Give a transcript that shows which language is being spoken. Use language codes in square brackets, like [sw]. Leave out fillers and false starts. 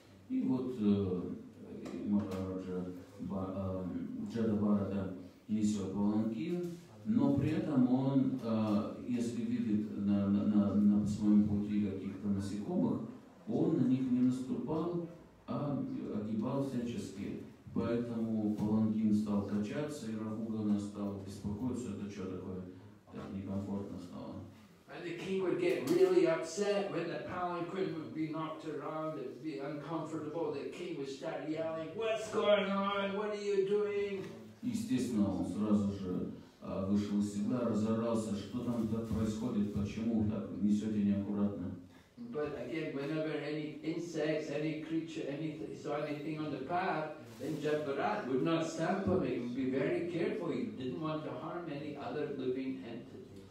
[ru] И вот, Махараджа Джадабарата несет паланкин, но при этом он, если видит на своем пути каких-то насекомых, он на них не наступал, а огибал всячески. Поэтому паланкин стал качаться, и Рагугана стал беспокоиться, это что такое, так некомфортно стало. [en] And the king would get really upset when the palanquin would be knocked around, it would be uncomfortable, the king would start yelling, what's going on, what are you doing? [ru] Естественно, он сразу же вышел из себя, разорался, что там так происходит, почему так несете неаккуратно. [en] But again, whenever any insects, any creature, anything, saw anything on the path, then Jad Bharat would not stamp on it, he would be very careful, he didn't want to harm any other living entity.